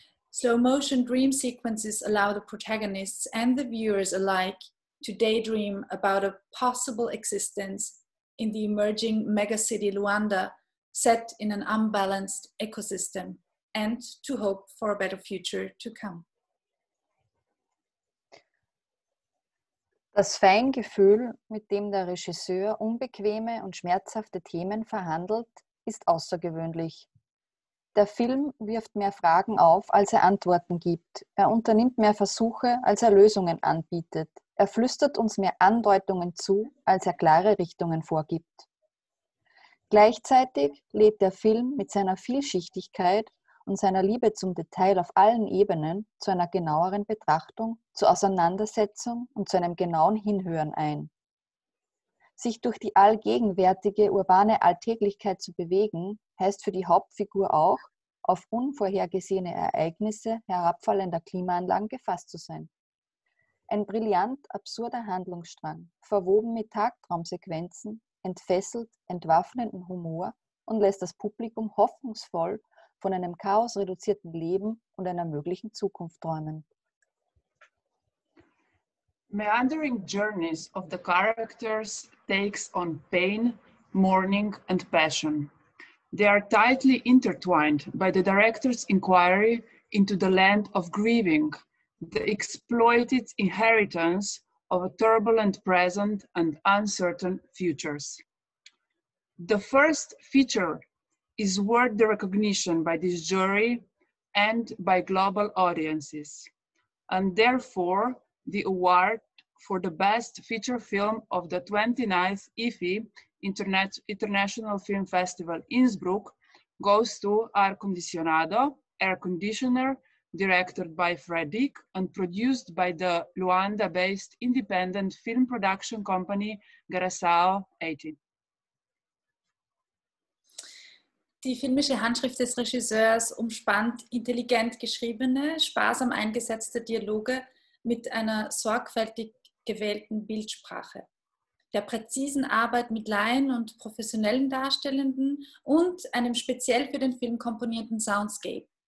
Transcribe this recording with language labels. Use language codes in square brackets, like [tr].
[en] Slow motion dream sequences allow the protagonists and the viewers alike to daydream about a possible existence in the emerging megacity Luanda, set in an unbalanced ecosystem, and to hope for a better future to come. [de] Das Feingefühl, mit dem der Regisseur unbequeme und schmerzhafte Themen verhandelt, ist außergewöhnlich. Der Film wirft mehr Fragen auf, als er Antworten gibt. Er unternimmt mehr Versuche, als er Lösungen anbietet. Er flüstert uns mehr Andeutungen zu, als er klare Richtungen vorgibt. Gleichzeitig lädt der Film mit seiner Vielschichtigkeit und seiner Liebe zum Detail auf allen Ebenen zu einer genaueren Betrachtung, zur Auseinandersetzung und zu einem genauen Hinhören ein. Sich durch die allgegenwärtige urbane Alltäglichkeit zu bewegen, heißt für die Hauptfigur auch, auf unvorhergesehene Ereignisse herabfallender Klimaanlagen gefasst zu sein. Ein brillant absurder Handlungsstrang, verwoben mit Tagtraumsequenzen, entfesselt entwaffnenden Humor und lässt das Publikum hoffnungsvoll von einem chaosreduzierten Leben und einer möglichen Zukunft träumen. [en] Meandering journeys of the characters takes on pain, mourning and passion. They are tightly intertwined by the director's inquiry into the land of grieving, the exploited inheritance of a turbulent present and uncertain futures. The first feature is worthy recognition by this jury and by global audiences, and therefore the award for the best feature film of the 29th IFFI International Film Festival Innsbruck goes to Air Condicionado, Air Conditioner, directed by Fred Dick and produced by the Luanda-based independent film production company Garasao 18. [de] Die filmische Handschrift des Regisseurs umspannt intelligent geschriebene, sparsam eingesetzte Dialoge mit einer sorgfältig gewählten Bildsprache, der präzisen Arbeit mit Laien und professionellen Darstellenden und einem speziell für den Film komponierten Soundscape.